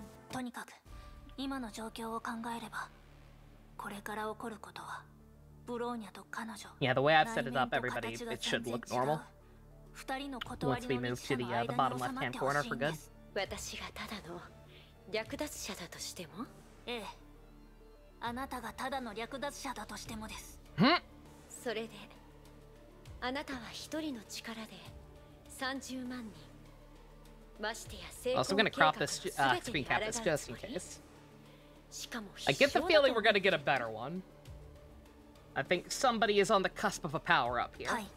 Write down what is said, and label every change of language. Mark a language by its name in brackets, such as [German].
[Japanese] とにかく、 今の状況を考えれば、 これから起こることは、 ブローニャと彼女。 [English] Yeah, the way I've set it up, everybody, it should look normal. Once we move to the bottom left hand corner for good. [Japanese] 私がただの略奪者だとしても? ええ。あなたがただの略奪者だとしてもです。 Hmm? それで、 あなたは一人の力で、 30万人。 [English] I'm also gonna crop this screen cap this just in case. I get the feeling we're gonna get a better one. I think somebody is on the cusp of a power up here.